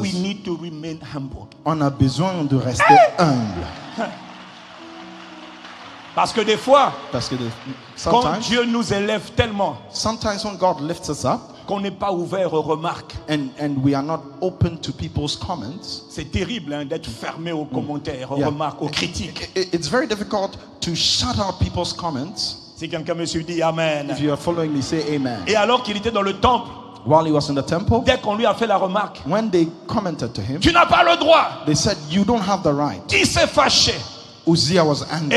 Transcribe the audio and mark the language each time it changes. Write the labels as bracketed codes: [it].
[en] we need to remain humble. [fr] On a besoin de rester humble. Parce que des fois, parce que quand Dieu nous élève tellement, [en] sometimes when God lifts us up, [fr] qu'on n'est pas ouvert aux remarques, [en] and we are not open to people's comments, [fr] c'est terrible hein, d'être fermé aux commentaires, aux remarques, aux critiques. [en] It's very difficult to shut out people's comments. [fr] Si quelqu'un me suit, dit amen. [en] If you are following me, say amen. [fr] Et alors qu'il était dans le temple, [en] while he was in the temple, [fr] dès qu'on lui a fait la remarque, [en] when they commented to him, [fr] tu n'as pas le droit. [en] They said you don't have the right. [fr] Il s'est fâché. [en] Uzziah was angry.